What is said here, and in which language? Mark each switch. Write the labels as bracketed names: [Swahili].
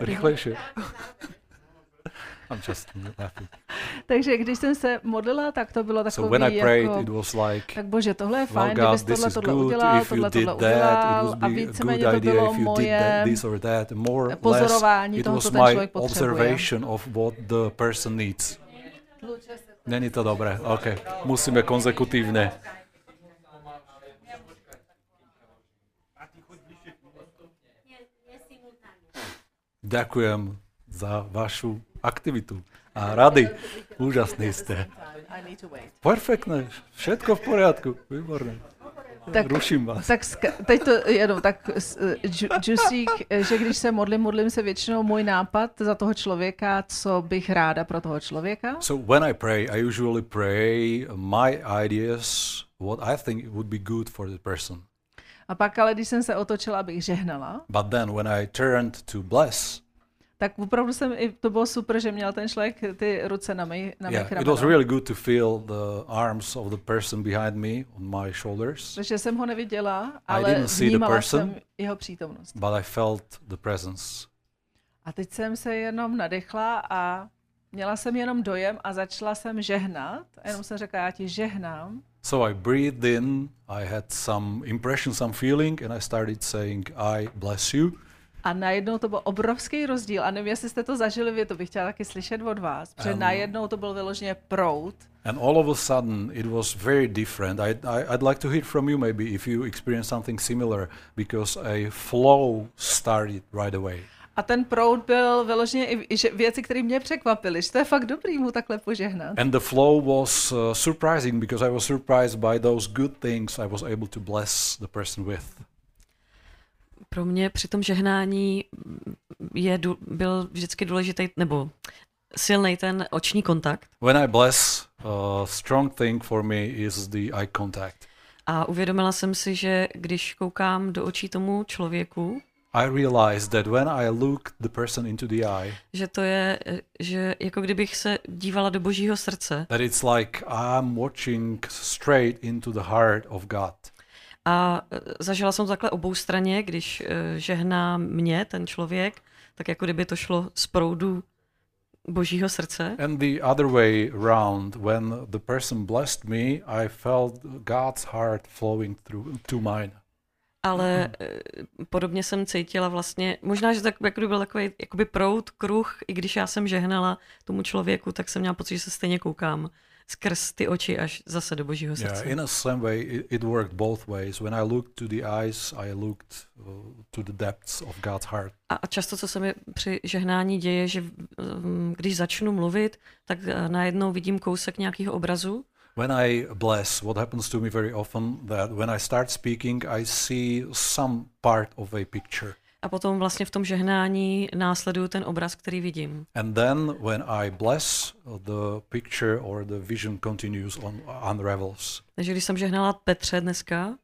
[Slovak] Rychlejšie. [English] I'm just laughing. [Czech] Takže když jsem se modlila, tak to bylo takový [English] so prayed, [Czech] jako, [English] like, [Czech] tak Bože, tohle je fajn, kdybys tohle udělal, a víceméně to bylo moje pozorování toho, co ten člověk potřebuje. [English] Of what the person needs. [Czech] Není to dobré. [Slovak] OK. Musíme konzekutívne. Ďakujem za vašu aktivitu a rady. Úžasný ste. Perfektné. Všetko v poriadku. Výborné. [Czech] Tak, ruším vás. Tak teď to jenom tak džusík, že když se modlím, modlím se většinou můj nápad za toho člověka, co bych ráda pro toho člověka. [English] So when I pray, I usually pray my ideas, what I think would be good for the person. [Czech] A pak ale když jsem se otočila, abych žehnala. [English] But then when I turned to bless. [Czech] Tak opravdu jsem i to bylo super, že měl ten člověk ty ruce na mých ramenou. [English] Yeah, it was really good to feel the arms of the person behind me on my shoulders. [Czech] Takže jsem ho neviděla, ale vnímala jsem jeho přítomnost. [English] But I felt the presence. [Czech] A teď jsem se jenom nadechla a měla jsem jenom dojem a začala jsem žehnat. Jenom jsem řekla, já ti žehnám. [English] So I breathed in, I had some impression, some feeling, and I started saying, I bless you. [Czech] A najednou to byl obrovský rozdíl. A nevím, jestli jste to zažili vy, to bych chtěla taky slyšet od vás. Protože najednou to byl vyloženě proud. [English] And all of a sudden it was very different. I'd like to hear from you maybe if you experienced something similar, because a flow started right away. [Czech] A ten proud byl vyloženě i věci, které mě překvapily, že to je fakt dobrý mu takhle požehnat. [English] And the flow was surprising, because I was surprised by those good things I was able to bless the person with. [Czech] Pro mě při tom žehnání je byl vždycky důležitý nebo silný ten oční kontakt. [English] When I bless, a strong thing for me is the eye contact. [Czech] A uvědomila jsem si, že když koukám do očí tomu člověku, [English] I realized that when I look the person into the eye, [Czech] že to je, že jako kdybych se dívala do Božího srdce. [English] That it's like I'm watching straight into the heart of God. [Czech] A zažila jsem to takhle obou straně, když žehná mě ten člověk, tak jako kdyby to šlo z proudu Božího srdce. [English] And the other way round, when the person blessed me, I felt God's heart flowing through to mine. [Czech] Ale podobně jsem cítila vlastně, možná, že tak jako byl takový jakoby proud, kruh, i když já jsem žehnala tomu člověku, tak jsem měla pocit, že se stejně koukám skrz ty oči až zase do Božího srdce. [English] Yeah, in a same way it worked both ways. When I looked to the eyes, I looked to the depths of God's heart. [Czech] A často co se mi při žehnání děje, že když začnu mluvit, tak najednou vidím kousek nějakého obrazu. [English] When I bless, what happens to me very often that when I start speaking, I see some part of a picture. [Czech] A potom vlastně v tom žehnání následuju ten obraz, který vidím. [English] And then when I bless, the picture or the vision continues on unravels. [Czech] Takže když jsem žehnala Petře dneska.